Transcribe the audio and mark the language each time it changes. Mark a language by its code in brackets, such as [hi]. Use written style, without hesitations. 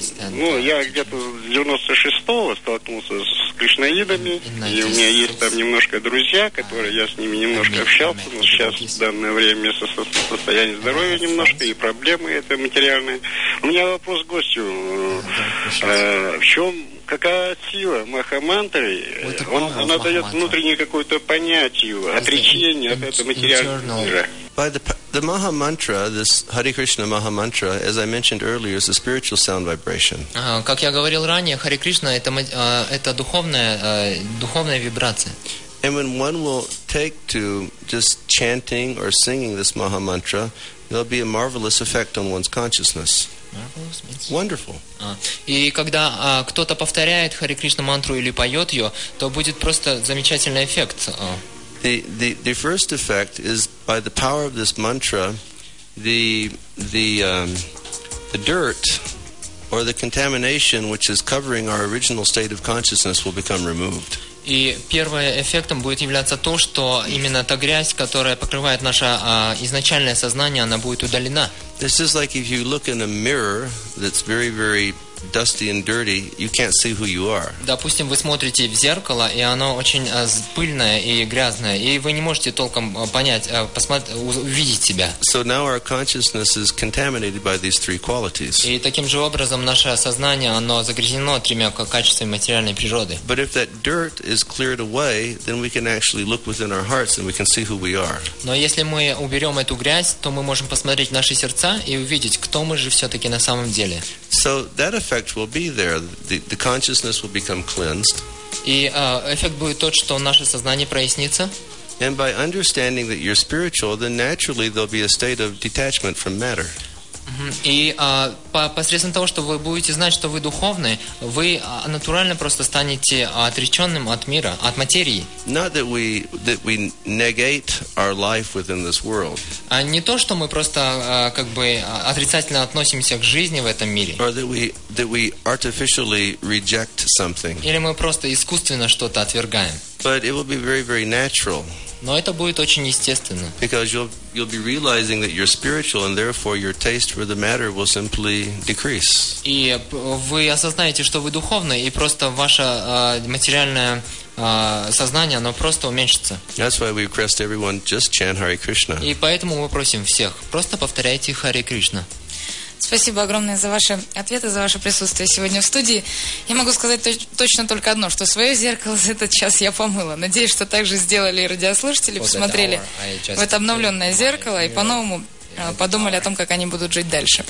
[ru] Ну, я где-то с 96-го столкнулся с кришнаидами, и у меня есть там немножко друзья, которые я с ними немножко общался, но сейчас в данное время состояние здоровья немножко и проблемы это материальные. У меня вопрос к гостю. В чем, какая сила Махамантры? Она дает внутреннее какое-то понятие, отречение от этого материального мира. [en] The Maha Mantra, this Hare Krishna Maha Mantra, as I mentioned earlier, is a spiritual sound vibration. [ru] Как я говорил ранее, Hare Krishna это духовная духовная вибрация. [en] And when one will take to just chanting or singing this Maha Mantra, there'll be a marvelous effect on one's consciousness. Wonderful. [ru] И когда кто-то повторяет Hare Krishna мантру или поет ее, то будет просто замечательный эффект. [en] The first effect is by the power of this mantra, the dirt or the contamination which is covering our original state of consciousness will become removed. [ru] И первым эффектом будет являться то, что именно та грязь, которая покрывает наше изначальное сознание, она будет удалена. [en] This is like if you look in a mirror that's very, very dusty and dirty, you can't see who you are. [ru] Допустим, вы смотрите в зеркало, и оно очень пыльное и грязное, и вы не можете толком понять, увидеть себя. [en] So now our consciousness is contaminated by these three qualities. [ru] И таким же образом наше сознание, оно загрязнено тремя качествами материальной природы. [en] But if that dirt is cleared away, then we can actually look within our hearts and we can see who we are. [ru] Но если мы уберем эту грязь, то мы можем посмотреть в наши сердца и увидеть, кто мы же все-таки на самом деле. [en] So that effect will be there. The consciousness will become cleansed. [ru] И эффект будет тот, что наше сознание прояснится. [en] And by understanding that you're spiritual, then naturally there'll be a state of detachment from matter. [ru] И посредством того, что вы будете знать, что вы духовный, вы натурально просто станете отреченным от мира, от материи. [en] Not that we negate our life within this world. [ru] Не то, что мы просто как бы отрицательно относимся к жизни в этом мире. [en] Or that we artificially reject something. [ru] Или мы просто искусственно что-то отвергаем. [en] But it will be very, very natural. [ru] Но это будет очень естественно. [en] Because you'll be realizing that you're spiritual, and therefore your taste for the matter will simply decrease. [ru] И вы осознаете, что вы духовны, и просто ваше материальное сознание, оно просто уменьшится. [en] That's why we request everyone just chant Hare Krishna. [ru] И поэтому мы просим всех, просто повторяйте Hare Krishna. Спасибо огромное за ваши ответы, за ваше присутствие сегодня в студии. Я могу сказать точно только одно, что свое зеркало за этот час я помыла. Надеюсь, что так же сделали и радиослушатели, посмотрели в это обновленное зеркало и по-новому подумали о том, как они будут жить дальше.